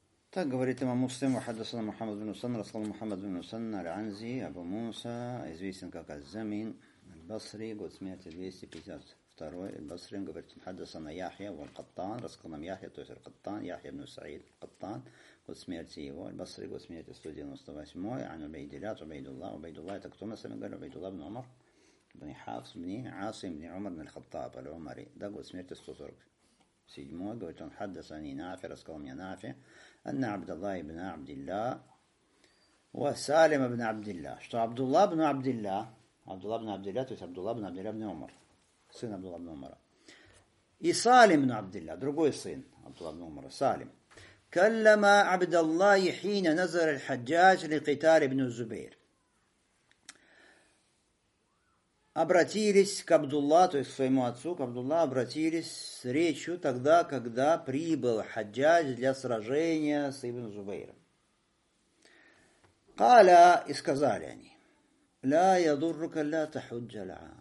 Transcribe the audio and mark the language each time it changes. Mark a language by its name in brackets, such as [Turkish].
[Russian] Так говорит имам Муслим, хадисан Мухаммад бин Усанна, рассказал Мухаммад бин Усанна, Ранзи, Абу Муса, известен как Аз-Замин, Аль-Басри, год смерти 252-й, Аль-Басри, говорит, хадисан Яхья, Аль-Каттан, рассказал нам Яхья, то есть Аль-Каттан, Яхья бин Саид, Каттан, год смерти его, Аль-Басри, год смерти 198-й, Ан-Убейдилят, Убейдулла, это кто мы с вами говорим, Убейдулла бин Умар, бин Хафс, бин Асим, бин Умар, бин Аль-Каттаб, Аль-Умари, да, год смерти 147-й, говорит он, хадисани Нафи, рассказал мне Нафи, أن عبد الله بن عبد الله وسالم بن عبد الله. [Arabic] что عبد الله بن عبد الله. عبد الله بن عبد الله. то есть عبد الله بن عبد الله بن عمر. сын عبد الله بن عمر. и سالم بن عبد الله. [Russian] другой сын [Arabic] عبد الله بن عمر. سالم. كلم عبد الله حين نزل الحجاج لقتال ابن الزبير. [Russian] обратились к Абдулла, то есть к своему отцу, к Абдулла, обратились с речью тогда, когда прибыл Хаджадж для сражения с Ибн Зубейром. Каля, и сказали они, «Ля ядуррука ля тахуджаля».